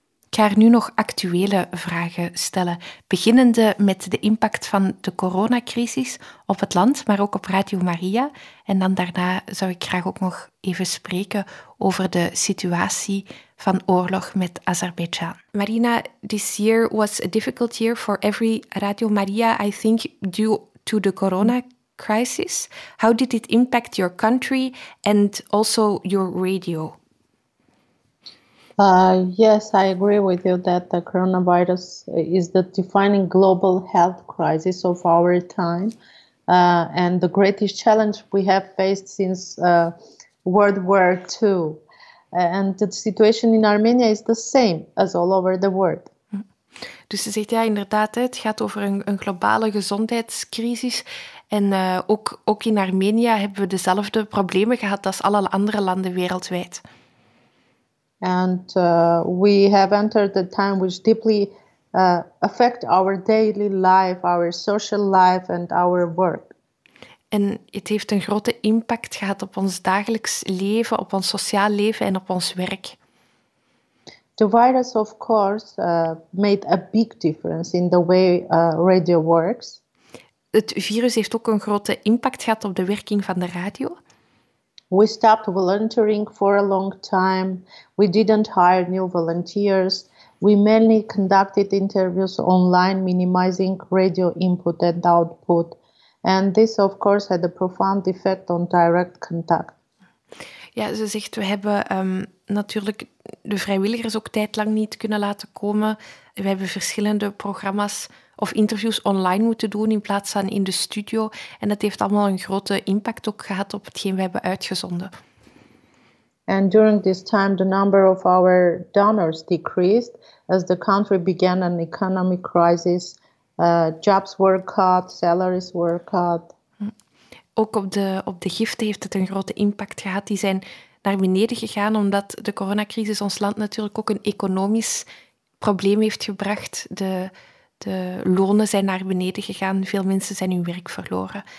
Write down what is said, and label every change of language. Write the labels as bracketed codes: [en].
[nl] Ik ga haar nu nog actuele vragen stellen, beginnende met de impact van de coronacrisis op het land, maar ook op Radio Maria. En dan daarna zou ik graag ook nog even spreken over de situatie van oorlog met Azerbeidzjan. [en] Marina, this year was a difficult year for every Radio Maria, I think, due to the corona crisis. How did it impact your country and also your radio? Yes, I agree with you that the coronavirus is the defining global health crisis of our time and the greatest challenge we have faced since World War II. And the situation in Armenia is the same as all over the world. [nl] Dus ze zegt, ja, inderdaad, het gaat over een globale gezondheidscrisis. En ook in Armenië hebben we dezelfde problemen gehad als alle andere landen wereldwijd. [en] And we have entered the time which deeply affect our daily life, our social life and our work. [nl] En het heeft een grote impact gehad op ons dagelijks leven, op ons sociaal leven en op ons werk. [en] The virus, of course, made a big difference in the way radio works. [nl] Het virus heeft ook een grote impact gehad op de werking van de radio. [en] We stopped volunteering for a long time. We didn't hire new volunteers. We mainly conducted interviews online, minimizing radio input and output. And this, of course, had a profound effect on direct contact. [nl] Ja, ze zegt, we hebben natuurlijk de vrijwilligers ook tijdlang niet kunnen laten komen. We hebben verschillende programma's of interviews online moeten doen in plaats van in de studio. En dat heeft allemaal een grote impact ook gehad op hetgeen we hebben uitgezonden. [en] And during this time, the number of our donors decreased as the country began an economic crisis. Jobs were cut, salaries were cut. [nl] Ook op de giften heeft het een grote impact gehad. Die zijn naar beneden gegaan omdat de coronacrisis ons land natuurlijk ook een economisch probleem heeft gebracht. De lonen zijn naar beneden gegaan, veel mensen zijn hun werk verloren.